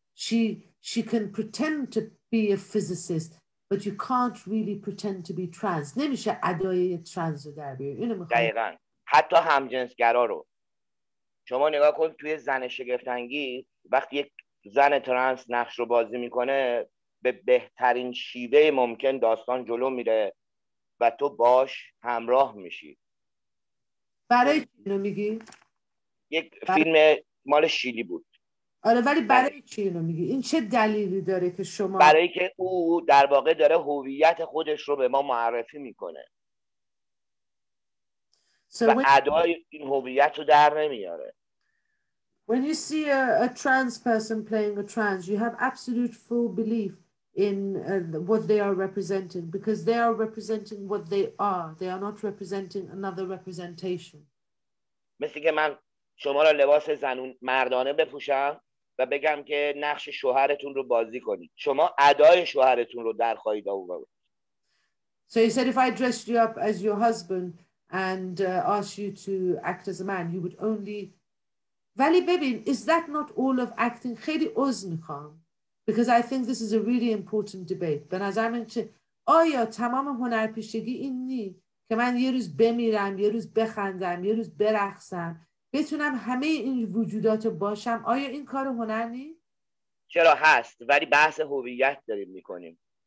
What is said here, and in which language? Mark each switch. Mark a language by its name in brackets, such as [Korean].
[English] She can pretend to be a physicist, but you can't really pretend to be trans. [Persian] نمیشه ادای ترنس رو در بیاری. اینو میخوام. دقیقاً. حتی همجنسگرا رو. شما نگاه کن توی زن شگفت‌انگی وقتی یک زن ترنس نقش رو بازی میکنه به بهترین شیوه ممکن داستان جلو میره و تو باش همراه میشی. برای چی اینو میگی؟ یک فیلم مال شیلی بود. آره ولی برای چی اینو میگی؟ این چه دلیلی داره که شما؟ برای که او در واقع داره هویت خودش رو به ما معرفی میکنه. ادای این هویت رو در نمیاره. [English] When you see a trans person playing a trans, you have absolute full belief in what they are representing, because they are representing what they are not representing another representation. [Persian] مثل که من شما را لباس زنون مردانه بپوشم و بگم که نقش شوهرتون رو بازی کنید. شما ادای شوهرتون رو در خواهید آورد. [English] So he said if I dressed you up as your husband and asked you to act as a man, you would only... [Persian] ولی ببین, [English] is that not all of acting? [Persian] خیلی عذر میخوام. [English] Because I think this is a really important debate. [Persian] به نظر من چه؟ آیا تمام هنرپیشگی این نی که من یه روز بمیرم, یه روز بخندم, یه روز برقصم, بتونم همه این وجودات باشم, آیا این کار هنر نی؟ چرا هست, ولی بحث هویت داریم میکنیم.